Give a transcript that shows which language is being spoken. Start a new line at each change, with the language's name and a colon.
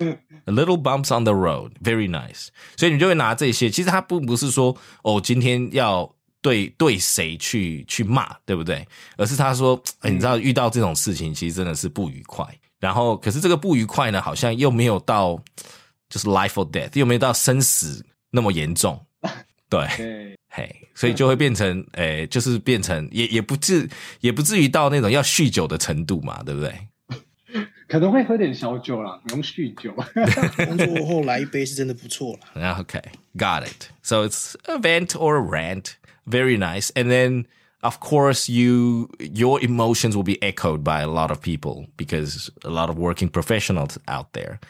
English: A little bumps on the road, very nice.
Chinese: 所以你就会拿这些，其实它并不是说哦，今天要对谁去骂，对不对？而是他说，哎，你知道遇到这种事情，其实真的是不愉快。然后，可是这个不愉快呢，好像又没有到就是
English: life or death，
Chinese: 又没有到生死那么严重，对。 Hey, 所以就会变成哎，就是变成也不至于到那种要酗酒的程度嘛，对不对？可能会喝点小酒啦，不用酗酒。工作后来一杯是真的不错啦。
English: Okay, got it. So it's a vent or a rant. Very nice. And then, of course, your emotions will be echoed by a lot of people because a lot of working professionals out there.